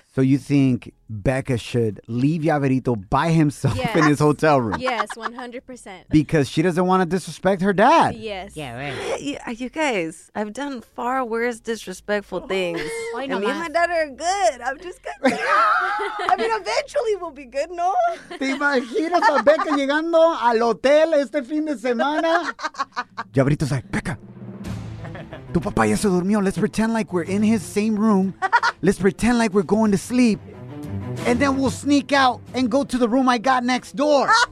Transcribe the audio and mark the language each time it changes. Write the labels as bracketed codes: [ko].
[en] So you think Becca should leave llaverito by himself in his hotel room? Yes, 100%. Because she doesn't want to disrespect her dad. Yes. Yeah, right. You guys, I've done far worse disrespectful things. Oh, and me and my dad are good. I'm just good. I mean, eventually we'll be good, no? [es] ¿Te imaginas a Becca llegando al hotel este fin de semana? [en] Llaverito's like, [es] Becca. Tu papá ya se durmió. [en] Let's pretend like we're in his same room. Let's pretend like we're going to sleep. And then we'll sneak out and go to the room I got next door.